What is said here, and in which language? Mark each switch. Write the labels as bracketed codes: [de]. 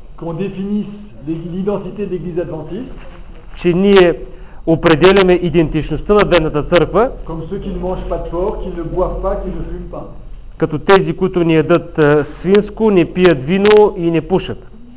[fr] qu'on définisse l'identité de l'église adventiste, [bg] че ние определяме идентичността на Адвентната църква [fr] comme ceux qui ne mangent pas de porc, qui ne boivent pas, qui ne fument pas. [bg] като тези, които не ядат свинско, не пият вино и не пушат.